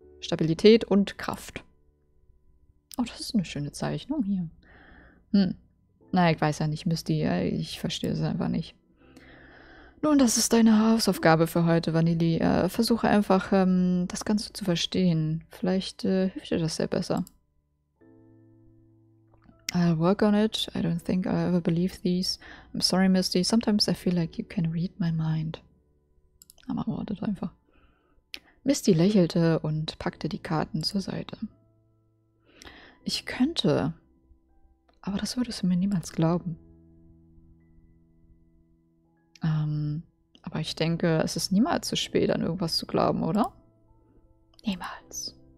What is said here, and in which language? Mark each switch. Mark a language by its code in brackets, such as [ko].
[de] Stabilität und Kraft. Oh, das ist eine schöne Zeichnung hier. Nein, ich weiß ja nicht, Misty. Ich verstehe es einfach nicht. Nun, das ist deine Hausaufgabe für heute, Vanilli. Versuche einfach, das Ganze zu verstehen. Vielleicht hilft dir das sehr besser. [en] I'll work on it. I don't think I ever believe these. I'm sorry, Misty. Sometimes I feel like you can read my mind. [de] Aber wartet einfach. Misty lächelte und packte die Karten zur Seite. Ich könnte, aber das würdest du mir niemals glauben. Aber ich denke, es ist niemals zu spät, an irgendwas zu glauben, oder? Niemals.